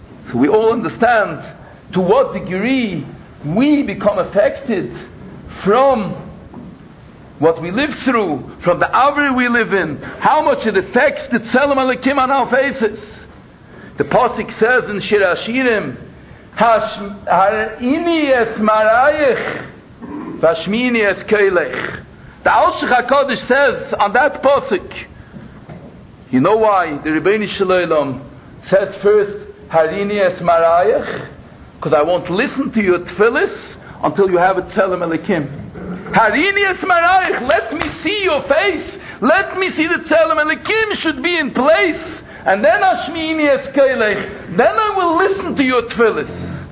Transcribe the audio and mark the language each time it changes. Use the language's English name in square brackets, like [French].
[English] So we all understand to what degree we become affected from what we live through, from the avri we live in, how much it affects the Tzelem Elikim on our faces. The Pasuk says in Shir HaShirim, [Hebrew] הראיני את מראייך והשמיעיני את קולך. [English] The Alshech HaKadosh says on that pasuk, you know why the Ribbono Shel Olam says first [Hebrew] harini es marayach, [English] because I won't listen to your tefillis until you have a tzelem elikim. [Hebrew] Harini es marayach, [English] let me see your face, let me see the tzelem elikim should be in place, and then [Hebrew] ashmini es keilech, [English] then I will listen to your tefillis.